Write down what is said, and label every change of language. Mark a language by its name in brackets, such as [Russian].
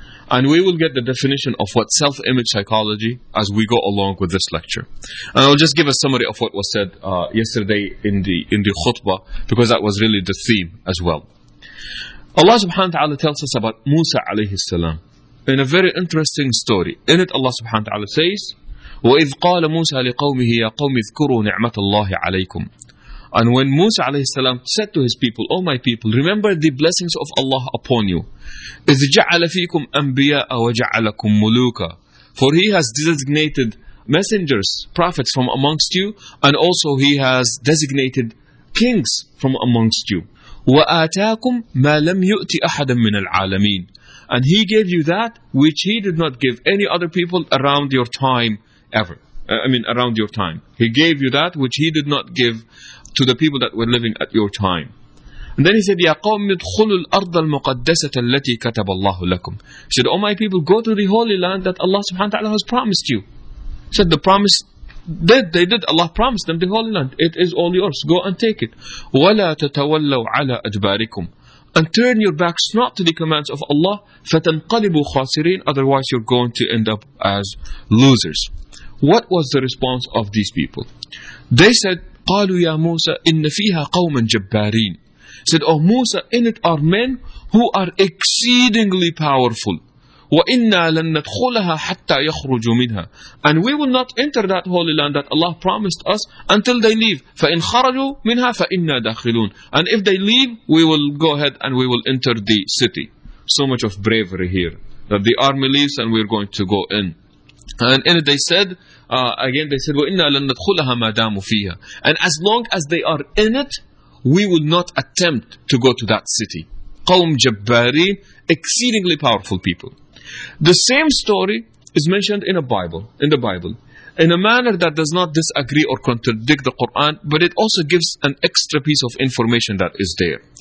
[English] And we will get the definition of what self-image psychology as we go along with this lecture. And I'll just give a summary of what was said yesterday in the khutbah, because that was really the theme as well. Allah subhanahu wa ta'ala tells us about Musa alayhi salam. In a very interesting story. In it, Allah subhanahu wa ta'ala says, [Arabic] وَإِذْ قَالَ مُوسَى لِقَوْمِهِ يَا قَوْمِ اذْكُرُوا نِعْمَةَ اللَّهِ عَلَيْكُمْ. [English] And when Musa alayhi salam said to his people, "O my people, remember the blessings of Allah upon you. [Arabic] إِذْ جَعَلَ فِيكُمْ أَنْبِيَاءَ وَجَعَلَكُمْ مُلُوكَ. [English] For he has designated messengers, prophets from amongst you, and also he has designated kings from amongst you. [Arabic] وَآتَاكُمْ مَا لَمْ يُؤْتِ أَحَدًا مِنَ الْعَالَمِينَ. [English] And he gave you that which he did not give any other people around your time ever. Around your time. He gave you that which he did not give to the people that were living at your time. And then he said, [Arabic] يَا قَوْمِ ادْخُلُوا الْأَرْضَ الْمُقَدَّسَةَ الَّتِي كَتَبَ اللَّهُ لَكُمْ. [English] He said, "Oh my people, go to the holy land that Allah subhanahu wa ta'ala has promised you." He said, Allah promised them the holy land. It is all yours. Go and take it. [Arabic] وَلَا تَتَوَلَّوْا عَلَى أَجْبَارِكُمْ. [English] And turn your backs not to the commands of Allah, [Arabic] فَتَنْقَلِبُوا خَاسِرِينَ. [English] Otherwise you're going to end up as losers. What was the response of these people? They said, [Arabic] قَالُوا يَا مُوسَى إِنَّ فِيهَا قَوْمًا جَبَّارِينَ. [English] Said, "Oh Musa, in it are men who are exceedingly powerful. [Arabic] وَإِنَّا لَن نَدْخُلَهَا حَتَّى يَخْرُجُوا مِنْهَا. [English] And we will not enter that holy land that Allah promised us until they leave. [Arabic] فَإِنْ خَرَجُوا مِنْهَا فَإِنَّا دَخِلُونَ. [English] And if they leave, we will go ahead and we will enter the city. So much of bravery here. That the army leaves and we're going to go in. And in it they said, [Arabic] وَإِنَّا لَن نَدْخُلَهَا مَا دَامُوا فِيهَا. [English] And as long as they are in it, we will not attempt to go to that city. [Arabic] قَوْم جَبَّارِينَ. [English] Exceedingly powerful people. The same story is mentioned in the Bible. in a manner that does not disagree or contradict the Quran, but it also gives an extra piece of information that is there.